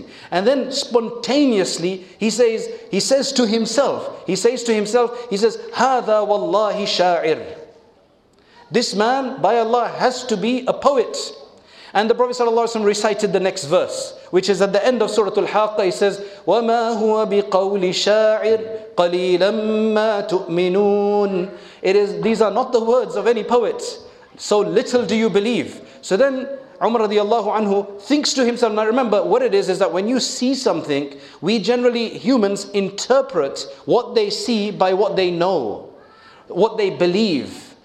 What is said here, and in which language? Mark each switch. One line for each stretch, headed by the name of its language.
English: And then spontaneously, he says to himself,
Arabic: هَذَا وَاللَّهِ شَاعِرٌ.
English: This man, by Allah, has to be a poet. And the Prophet ﷺ recited the next verse, which is at the end of Surah Al-Haqqah. He says,
Arabic: وَمَا هُوَ بِقَوْلِ شَاعِرٍ قَلِيلًا مَا تُؤْمِنُونَ.
English: These are not the words of any poet. So little do you believe. So then Umar radiallahu anhu thinks to himself, now remember what it is that when you see something, we generally, humans, interpret what they see by what they know, what they believe.